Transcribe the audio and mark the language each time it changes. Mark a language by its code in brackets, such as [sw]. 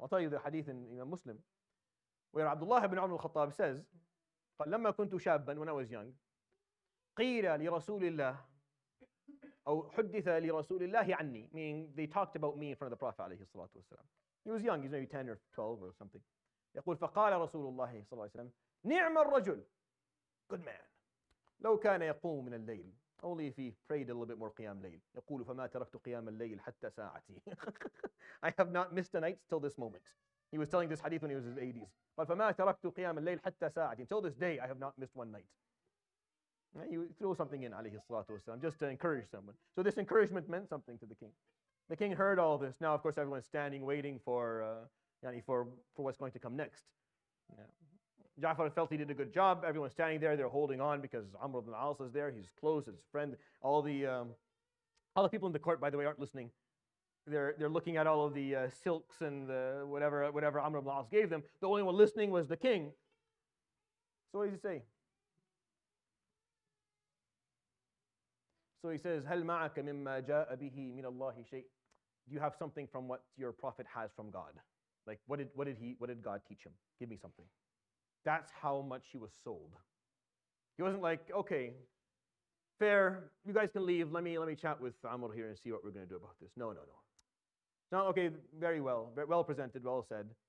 [en] I'll tell you the hadith in Imam Muslim, where Abdullah ibn Umar al-Khattab says, [ar] لما كنت شابا, [en] when I was young, [ar] قيل لرسول الله أو حدث لرسول الله عني, [en] meaning they talked about me in front of the Prophet [ar] عليه الصلاة والسلام. [en] He was young, he's maybe 10 or 12 or something. [ar] يقول فقال رسول الله صلى الله عليه وسلم نعم الرجل, [en] good man, [ar] لو كان يقوم من الليل, [en] only if he prayed a little bit more [ar] قيام ليل. يقول فما تركت قيام الليل حتى ساعتي. [en] I have not missed a night till this moment. He was telling this hadith when he was in his 80s. [ar] But فَمَا تَرَكْتُ قِيَامَ اللَّيْلِ حَتَّى سَاعَةٍ. [en] Until this day, I have not missed one night. You throw something in, alayhi salatu wasalam, just to encourage someone. So this encouragement meant something to the king. The king heard all this. Now, of course, everyone's standing, waiting for what's going to come next. Yeah. Ja'far felt he did a good job. Everyone's standing there. They're holding on because Amr ibn al-As is there. He's close, his friend. All the people in the court, by the way, aren't listening. They're looking at all of the silks and the whatever Amr ibn al-As gave them. The only one listening was the king. So what does he say? So he says, [ar] هَلْ مَعَكَ مِمَّا جَاءَ بِهِ مِنَ اللَّهِ شَيْءٍ. [en] Do you have something from what your prophet has from God? Like, what did God teach him? Give me something. That's how much he was sold. He wasn't like, okay, fair, you guys can leave. Let me chat with Amr here and see what we're going to do about this. No. No, okay, very well. Well presented, well said.